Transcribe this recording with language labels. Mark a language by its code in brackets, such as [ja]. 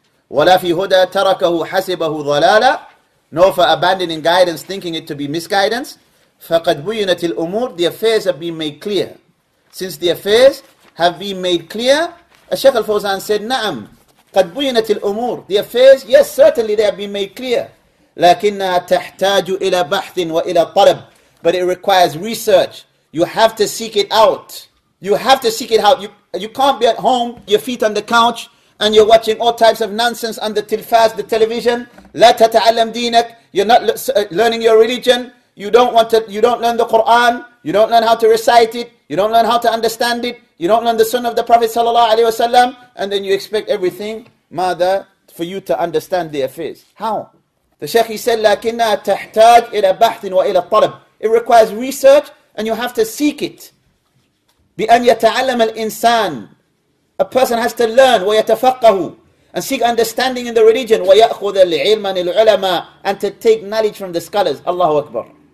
[ar] وَلَا فِي هُدَى تَرَكَهُ حَسِبَهُ ضَلَالًا. [en] Nor for abandoning guidance, thinking it to be misguidance. [ar] فَقَدْ بُيِّنَتِ الْأُمُورِ. [en] The affairs have been made clear. Since the affairs have been made clear, Shaykh al-Fawzan said, [ar] نَعَمْ قَدْ بُيِّنَتِ الْأُمُورِ. [en] The affairs, yes, certainly they have been made clear. [ar] لكنها تحتاج إلى بحث وإلى طلب. [en] But it requires research. You have to seek it out. You have to seek it out. You can't be at home, your feet on the couch, and you're watching all types of nonsense on the tilfaz, the television. [ar] لا تتعلم دينك. [en] You're not learning your religion. You don't learn the Quran. You don't learn how to recite it. You don't learn how to understand it. You don't learn the sunnah of the Prophet sallallahu alaihi wasallam. And then you expect everything, [ar] ماذا, [en] for you to understand the affairs. How? The Shaykh, he said, [ar] لكنها تحتاج إلى بحث وإلى طلب. [en] It requires research and you have to seek it. [ar] بأن يتعلم الإنسان. [en] A person has to learn [ar] ويتفقه [en] and seek understanding in the religion [ar] ويأخذ العلم العلماء [en] and to take knowledge from the scholars. Allahu Akbar.